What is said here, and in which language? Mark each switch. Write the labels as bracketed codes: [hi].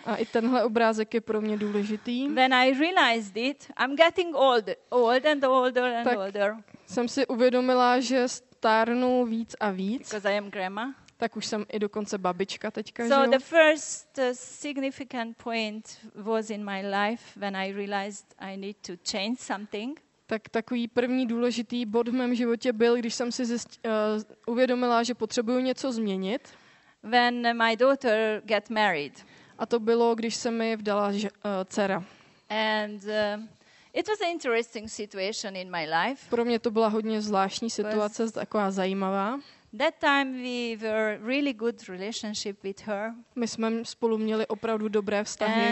[cs] a i tenhle obrázek je pro mě důležitý. [en] When I realized it, I'm getting old and older and [cs] tak [en] older. [cs] Jsem si uvědomila, že stárnu víc a víc. [en] Because I am grandma. [cs] Tak už jsem i dokonce babička teďka. [en] So [cs] jo? [en] The first significant point was in my life when I realized I need to change something. [cs] Tak takový první důležitý bod v mém životě byl, když jsem si uvědomila, že potřebuju něco změnit. [en] When my daughter get married. [cs] A to bylo, když se mi vdala dcera. [en] And it was an interesting situation in my life. [cs] Pro mě to byla hodně zvláštní situace, taková zajímavá. [en] That time we were really good relationship with her. [cs] My jsme spolu měli opravdu dobré vztahy.